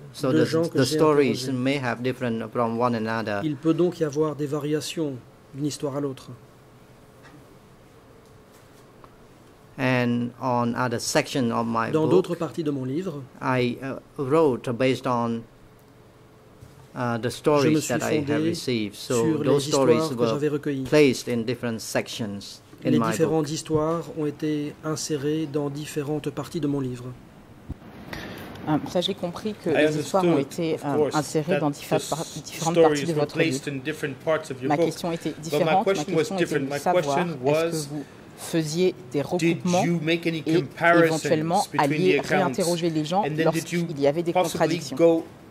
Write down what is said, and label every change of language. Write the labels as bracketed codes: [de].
[en] So the stories may have different from one another. [fr] Il peut donc y avoir des variations d'une histoire à l'autre. [en] And on other section of my [fr] dans [en] book, [fr] d'autres parties de mon livre, [en] I wrote based on the stories that I have received. So those stories were placed in different sections. [fr] Les différentes histoires ont été insérées dans différentes parties de mon livre. Ça, j'ai compris que les histoires ont été insérées dans différentes parties de votre livre. Ma question était différente. Ma question était de savoir est-ce que vous faisiez des regroupements et éventuellement alliez réinterroger les gens lorsqu'il y avait des contradictions.